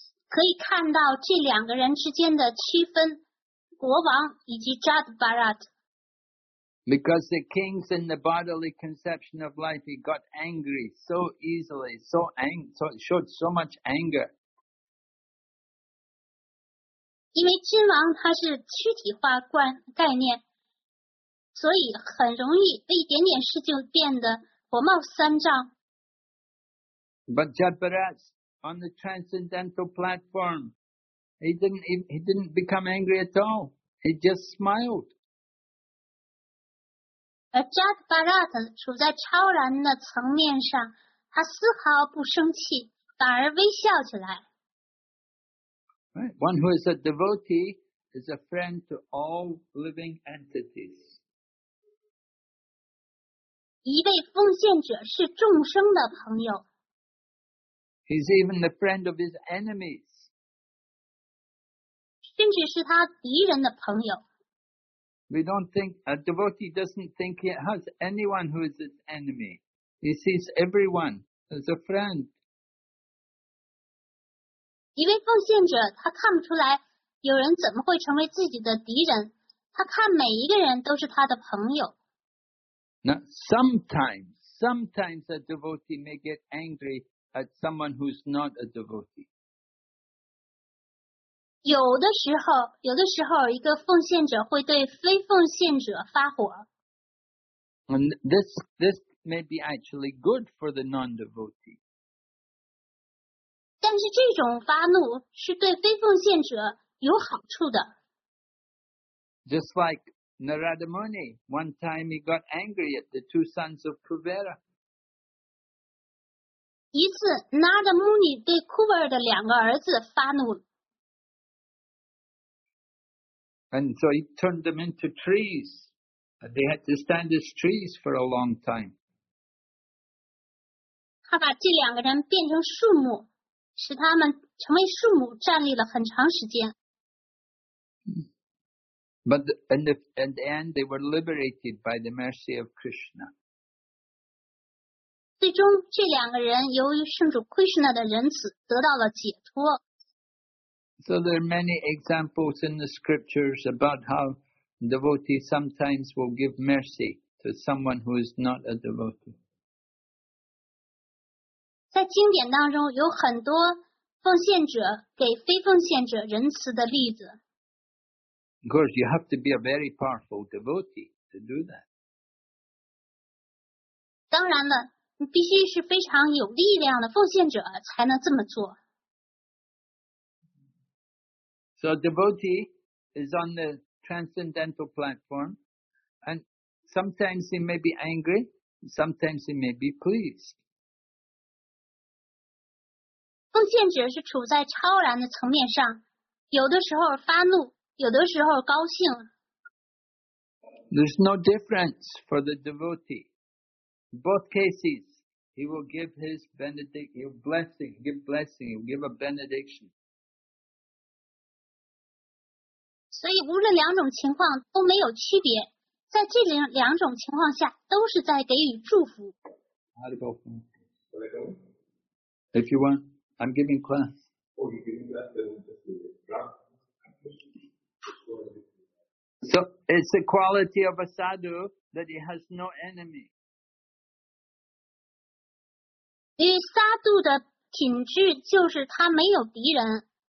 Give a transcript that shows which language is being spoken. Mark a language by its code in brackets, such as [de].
[zh] 可以看到这两个人之间的区分，国王以及 Jad Bharat. [en] Because the king's in the bodily conception of life, he got angry so easily, showed so much anger. [zh] 因为君王他是躯体化概念。所以很容易被一点点事就变得火冒三丈。 [en] But Jad Bharat, on the transcendental platform, he didn't become angry at all. He just smiled. [zh] Jad Bharat 处在超然的层面上，他丝毫不生气，反而微笑起来。 [en] Right. One who is a devotee is a friend to all living entities. [zh] 一位奉献者是众生的朋友。 [en] He's even the friend of his enemies. [zh] 甚至是他敌人的朋友。 [en] We don't think, a devotee doesn't think he has anyone who is his enemy. He sees everyone as a friend. [zh] 一位奉献者他看不出来有人怎么会成为自己的敌人，他看每一个人都是他的朋友。 [en] Now, sometimes a devotee may get angry at someone who's not a devotee. [zh] 有的时候一个奉献者会对非奉献者发火。 [en] And this may be actually good for the non-devotee. [zh] 但是这种发怒是对非奉献者有好处的。 [en] Just like,Narada Muni, one time he got angry at the two sons of Kuvera. [zh] 一次 Narada Muni 对 Kuvera 的两个儿子发怒。 [en] And so he turned them into trees. They had to stand as trees for a long time. [zh] 他把这两个人变成树木，使他们成为树木，站立了很长时间。 [en] But in the end, they were liberated by the mercy of Krishna. [zh] 最终，这两个人由于圣主 Krishna 的仁慈得到了解脱。 [en] So there are many examples in the scriptures about how devotees sometimes will give mercy to someone who is not a devotee. [zh] 在经典当中有很多奉献者给非奉献者仁慈的例子。 [en] Of course, you have to be a very powerful devotee to do that. [zh] 当然了，你必须是非常有力量的奉献者才能这么做。 [en] So a devotee is on the transcendental platform, and sometimes he may be angry, sometimes he may be pleased. [zh] 奉献者是处在超然的层面上，有的时候发怒，有的时候高兴。 [en] There's no difference for the devotee. In both cases, he will give his blessing, he'll give a benediction. [zh] 所以无论两种情况都没有区别，在这两种情况下都是在给予祝福。 [en] If you want, I'm giving class. So it's the quality of a sadhu that he has no enemy. [zh] 因为沙度的品质就是他没有敌人。